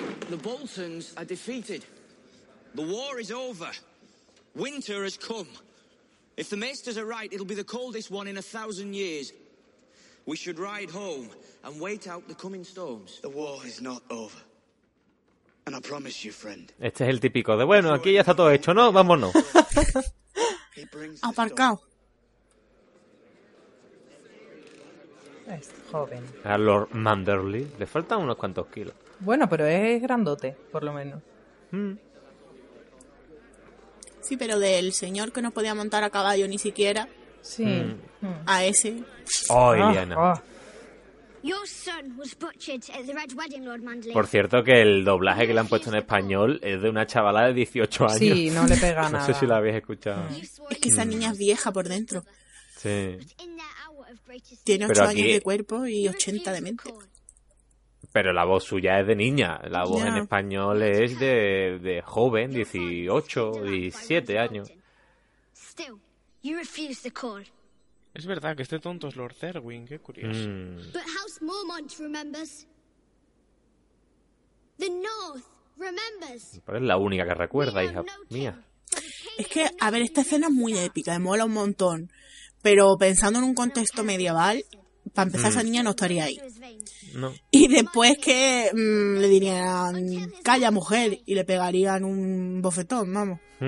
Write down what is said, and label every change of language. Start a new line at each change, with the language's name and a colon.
English: The Boltons are defeated. The war is over. Winter has come. If the maesters are right, it'll be the coldest one in 1,000 years. We should ride home and wait out the coming storms. The war is not over. And I promise you, friend.
Spanish: Este es el típico de, bueno, aquí ya está todo hecho, ¿no? Vámonos. Aparcado. Es joven. A Lord Manderly. Le faltan unos cuantos kilos. Bueno, pero es grandote, por lo menos. Sí, pero del señor que no podía montar a caballo ni siquiera. Sí. A ese. ¡Oh, Liana!
English: Your son was butchered at the Red Wedding, Lord Manderly.
Spanish: Por cierto que el doblaje que le han puesto en español es de una chavala de 18 años. Sí, no le pega nada. No sé si la habéis escuchado. Es que esa niña es vieja por dentro. Sí. Tiene 8 años de cuerpo y 80 de mente. Pero la voz suya es de niña. La voz en español es de joven, 18, 17 años.
English: Still, you refuse the call.
Spanish: Es verdad que este tonto es Lord Therwin, qué curioso.
English: But House Mormont remembers. The North remembers.
Spanish: Pero es la única que recuerda, hija mía. Es que, a ver, esta escena es muy épica, me mola un montón. Pero pensando en un contexto medieval, para empezar esa niña no estaría ahí. No. Y después que le dirían, calla mujer, y le pegarían un bofetón, vamos.